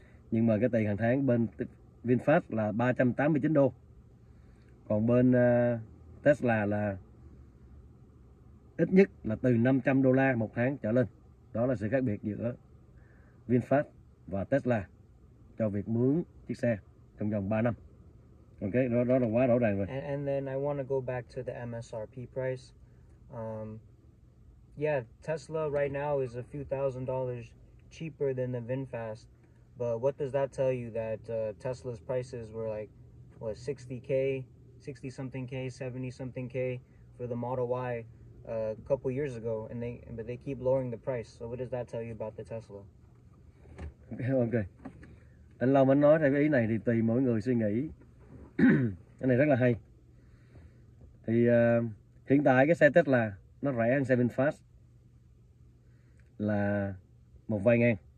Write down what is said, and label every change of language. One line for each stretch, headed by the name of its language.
Vietnamese: Nhưng mà cái tiền hàng tháng bên VinFast là 389 đô, còn bên Tesla là ít nhất là từ 500 đô la một tháng trở lên. Đó là sự khác biệt giữa VinFast và Tesla cho việc mướn chiếc xe trong vòng 3 năm. Ok, đó là quá rõ ràng rồi.
English: And then I want to go back to the MSRP price. Yeah, Tesla right now is a few thousand dollars cheaper than the VinFast. But what does that tell you, that Tesla's prices were like, what, 60K, 60-something K, 70-something K for the Model Y a couple years ago, and they keep lowering the price. So what does that tell you about the Tesla? Okay.
Vietnamese: Anh Long anh nói theo cái ý này thì tùy mỗi người suy nghĩ. Cái này rất là hay. Thì hiện tại cái xe Tesla nó rẻ hơn xe VinFast là một vài ngàn.